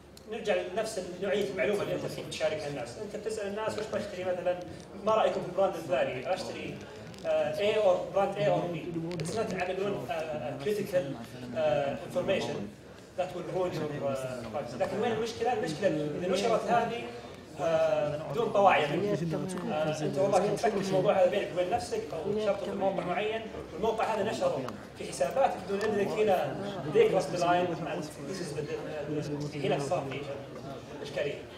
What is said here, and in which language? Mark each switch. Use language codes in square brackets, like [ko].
[ar] نرجع لنفس نوعية المعلومة اللي أنت فيك تشاركها الناس أنت تسأل الناس وش بشتري مثلا ما رأيكم في البراند الثاني أشتري [en] A or brand A or B. It's not critical information that will ruin your privacy. [ar] لكن وين المشكلة؟ المشكلة إذا نشرت هذه بدون طواعية منك. أنت والله كنت تفكر في الموضوع هذا بينك وبين نفسك أو شرطه في موقع معين، والموقع هذا نشره في حساباتك بدون إذنك هنا [en] they cross the line and this is the [ar] هنا صار في إشكالية.